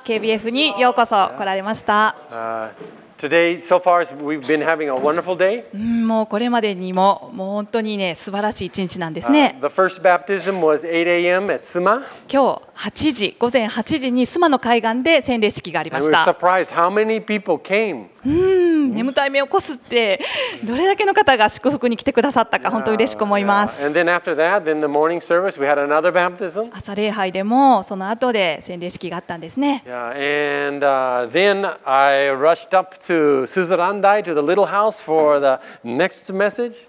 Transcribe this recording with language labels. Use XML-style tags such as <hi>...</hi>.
<ja>KBF にようこそ来られました。</ja> <en>Today, so far, we've been having a wonderful day.</en> <ja>もうこれまでにも、もう本当にね、素晴らしい一日なんですね。</ja> <en>The first baptism was 8 a.m. at Suma.</en> <ja>今日8時、午前8時に Suma の海岸で洗礼式がありました。</ja> <en>And we were surprised how many people came.</en> <ja>眠たい目を起こすって、どれだけの方が祝福に来てくださったか、本当に嬉しく思います。</ja> <en>And then after that, then the morning service, we had another baptism.</en> <ja>朝礼拝でも、その後で洗礼式があったんですね。</ja> <en>And then I rushed up to Suzurandai, to the little house for the next message.</en>